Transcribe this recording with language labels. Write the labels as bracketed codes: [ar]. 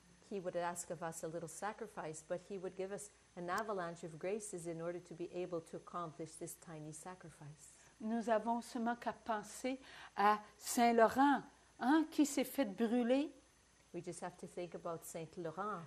[en] He would ask of us a little sacrifice, but he would give us an avalanche of graces in order to be able to accomplish this tiny sacrifice. [fr] Nous avons seulement qu'à penser à Saint Laurent, hein, qui s'est fait brûler. [en] We just have to think about Saint Laurent.